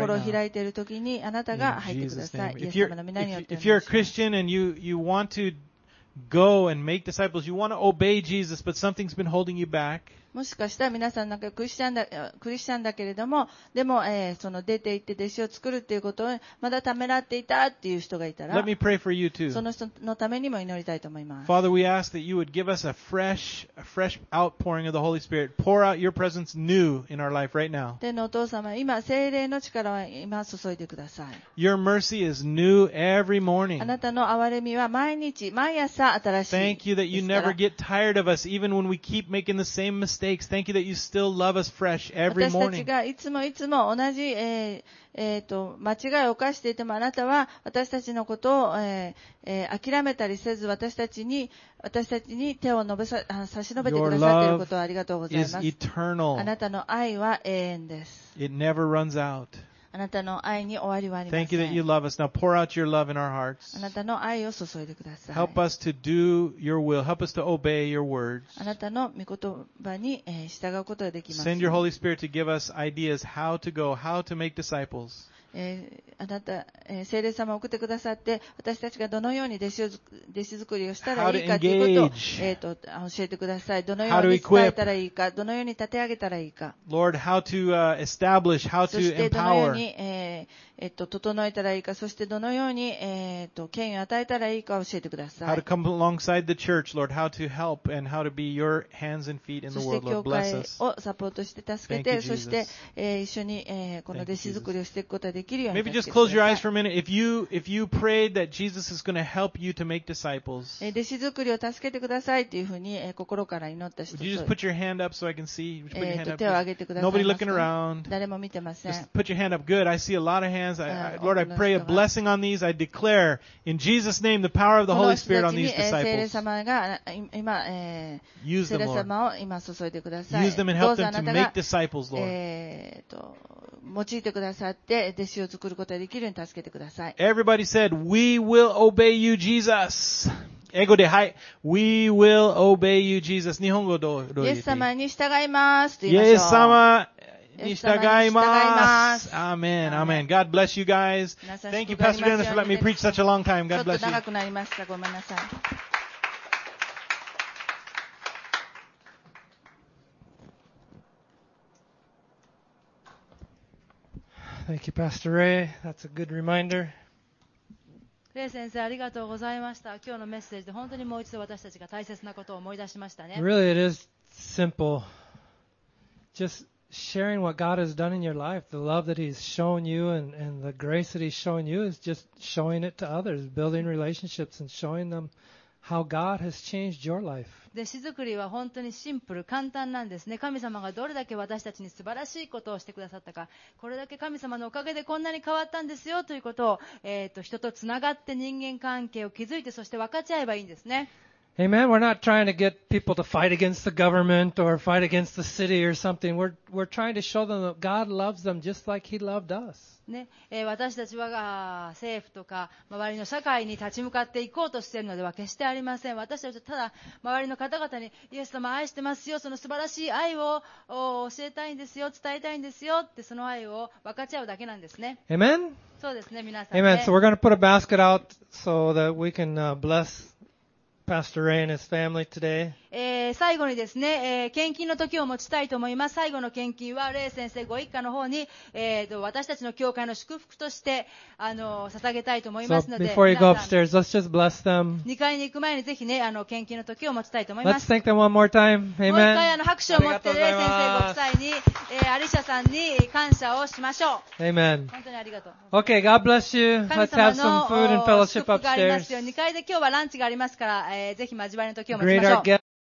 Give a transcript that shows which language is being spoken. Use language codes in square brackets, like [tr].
[ja] 心を開いている時にあなたが入ってください。イエス様の皆によって。 [en] If you're a Christian and you want to go and make disciples, you want to obey Jesus, but something's been holding you back. [ja] もしかしたら皆さんなんかクリスチャンだけれども、でも、その出て行って弟子を作るっていうことをまだためらっていたっていう人がいたら、 [en] Let me pray for you too. [ja] その人のためにも祈りたいと思います。 [en] Father, we ask that you would give us a fresh outpouring of the Holy Spirit. Pour out your presence new in our life right now. [ja] 天のお父様、今聖霊の力を今注いでください。 [en] Your mercy is new every morning. [ja] あなたの憐れみは毎日、毎朝新しいですから。 [en] Thank you that you never get tired of us, even when we keep making the same mistakes. Thank you that you still love us fresh every morning. [ja] 私たちがいつもいつも同じ、間違いを犯していてもあなたは私たちのことを、諦めたりせず私たちに手を伸べさ差し伸べてくださっていることをありがとうございます。 [en] Your love is eternal. [ja] あなたの愛は永遠です。 [en] It never runs out. [ja] あなたの愛に終わりはありません。 [en] Thank you that you love us. Now pour out your love in our hearts. [ja] あなたの愛を注いでください。 [en] Help us to do your will. Help us to obey your words. [ja] あなたの御言葉に従うことができます。 [en] Send your Holy Spirit to give us ideas how to go, how to make disciples. [ja] あなた、聖霊様を送ってくださって、私たちがどのように弟子作りをしたらいいかということを、教えてください。どのように伝えたらいいか、どのように立て上げたらいいか。 [en] Lord, how to establish, how to empower. [ja] そしてどのように、整えたらいいか、そしてどのように、権威を与えたらいいか教えてください。 [en] How to come alongside the church, Lord, how to help and how to be your hands and feet in the world, Lord, bless us. [ja] そして教会をサポートして助けて、そして、一緒に、この弟子作りをしていくことができるように。 [en] Maybe just close your eyes for a minute. If you prayed that Jesus is going to help you to make disciples, [ja] 弟子作りを助けてくださいというふうに心から祈った人。 [en] Would you just put your hand up so I can see? Would you put your hand up? [ja] 手を上げてください。 [en] Nobody looking around. [ja] 誰も見てません。 [en] Just put your hand up. Good. I see a lot of hands. Lord, I pray a blessing on these. I declare in Jesus' name the power of the Holy Spirit on these disciples. [ja] この人たちに聖霊様が今、 [en] use them, Lord. [ja] 聖霊様を今注いでください。 [en] Use them and help them to make disciples, Lord. [ja] 用いてくださって弟子を作ることができるように助けてください。 [en] Everybody said, "We will obey you, Jesus." [ja] 英語で、はい、 [en] We will obey you, Jesus. [ja] 日本語どう言って？イエス様に従いますと言いましょう。イエス様に従います。Amen, amen. [en] God bless you guys. Thank you, Pastor Dennis, for letting me preach such a long time. God bless you. [ja] ちょっと長くなりました。ごめんなさい。 [en] Thank you, Pastor Ray. That's a good reminder. [ja] Ray 先生、ありがとうございました。今日のメッセージで本当にもう一度私たちが大切なことを思い出しましたね。 [en] Really, it is simple. Just sharing what God has done in your life, the love that He's shown you and the grace that He's shown you is just showing it to others, building relationships and showing them how God has changed your life. [ja] 弟子作りは本当にシンプル、簡単なんですね。神様がどれだけ私たちに素晴らしいことをしてくださったか、これだけ神様のおかげでこんなに変わったんですよということを、人とつながって人間関係を築いて、そして分かち合えばいいんですね。 [en] Amen. We're not trying to get people to fight against the government or fight against the city or something. We're trying to show them that God loves them just like He loved us. [ja] ね、私たちは政府とか周りの社会に立ち向かっていこうとしているのでは決してありません。私たちはただ周りの方々にイエス様愛してますよ、その素晴らしい愛を教えたいんですよ、伝えたいんですよって、その愛を分かち合うだけなんですね。 [en] Amen. [ja] そうですね、皆さんね。 [en] Amen. So we're going to put a basket out so that we can blessPastor Ray and his family today. [ja] 最後にですね、献金の時を持ちたいと思います。最後の献金はレイ先生ご一家の方に、私たちの教会の祝福として捧げたいと思いますので、 [en] so、before you go upstairs, let's just bless them. [ja] 2階に行く前にぜひね、献金の時を持ちたいと思います。 [en] Let's thank them one more time. Amen. [ja] もう一回拍手を持ってレイ先生ご夫妻に、アリシャさんに感謝をしましょう。 [en] Amen. [ja] 本当にありがとう。 [en] Okay, God bless you. Let's have some food and fellowship upstairs. [ja] 2階で今日はランチがありますから。ぜひ交わりの時を待ちましょう。